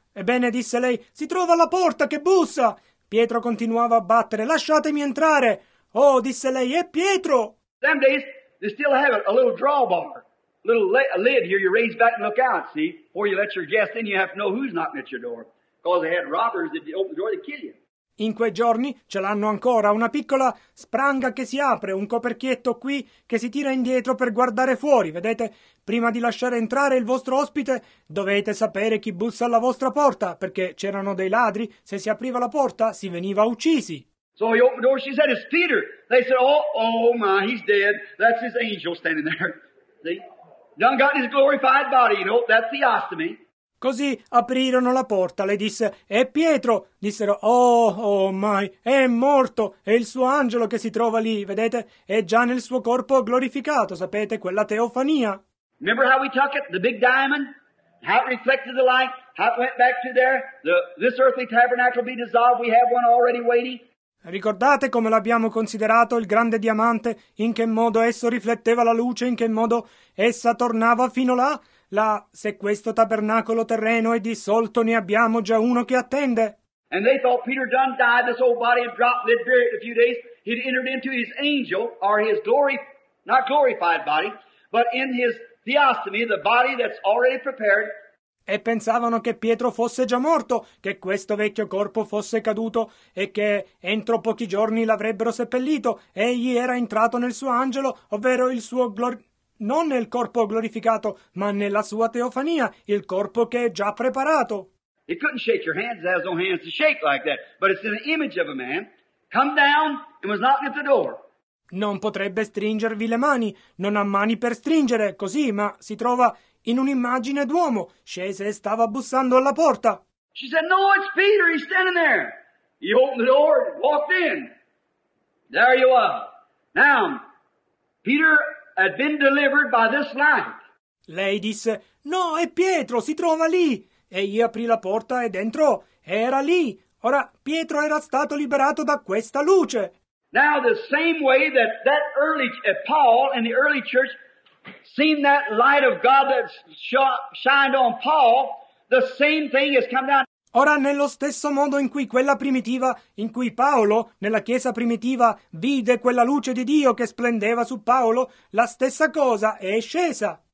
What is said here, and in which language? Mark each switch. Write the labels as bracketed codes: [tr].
[it] Ebbene, disse lei, si trova alla porta che bussa. Pietro continuava a battere, lasciatemi entrare. Oh, disse lei, è Pietro. [en] Them days, they still have a little drawbar. A little lid here, you raise back and look out, see? Before you let your guest in, you have to know who's knocking at your door. Because they had robbers that opened the door, they'd kill you. [it] In quei giorni ce l'hanno ancora, una piccola spranga che si apre, un coperchietto qui che si tira indietro per guardare fuori. Vedete, prima di lasciare entrare il vostro ospite, dovete sapere chi bussa alla vostra porta, perché c'erano dei ladri, se si apriva la porta si veniva uccisi. [en] So he opened the door, she said, it's Peter. They said, oh my, he's dead. That's his angel standing there. See? Done got his glorified body, you know, that's the ostomy. [it] Così aprirono la porta, le disse, è Pietro, dissero, [en] oh my, [it] è morto, è il suo angelo che si trova lì, vedete, è già nel suo corpo glorificato, sapete, quella teofania. [en] Remember how we took it, the big diamond, how it reflected the light, how it went back to there, this earthly tabernacle be dissolved, we have one already waiting. [it] Ricordate come l'abbiamo considerato il grande diamante, in che modo esso rifletteva la luce, in che modo essa tornava fino là? Là, se questo tabernacolo terreno è dissolto, ne abbiamo già uno che attende. [en] And they thought Peter done died, this old body had dropped, lived buried a few days, he'd entered into his angel, or his glory, not glorified body, but in his theostomy, the body that's already prepared. [it] E pensavano che Pietro fosse già morto, che questo vecchio corpo fosse caduto e che entro pochi giorni l'avrebbero seppellito. Egli era entrato nel suo angelo, ovvero il suo glori... non nel corpo glorificato, ma nella sua teofania, il corpo che è già preparato. [en] He couldn't shake your hands, he has no hands to shake like that, but it's an image of a man, come down and was knocking at the door. [it] Non potrebbe stringervi le mani, non ha mani per stringere, così, ma si trova in un'immagine d'uomo, scese e stava bussando alla porta. [en] She said, no, it's Peter, he's standing there. He opened the door, walked in. There you are. Now, Peter had been delivered by this light. [it] Lei disse, no, è Pietro, si trova lì. Egli aprì la porta ed entrò. Era lì. Ora, Pietro era stato liberato da questa luce. [en] Now, the same way that Paul in the early church seen that light of God that shined on Paul, the same thing has come down. [it] Ora, nello stesso modo in cui quella primitiva, in cui Paolo, nella chiesa primitiva, vide quella luce di Dio che splendeva su Paolo, la stessa cosa è scesa.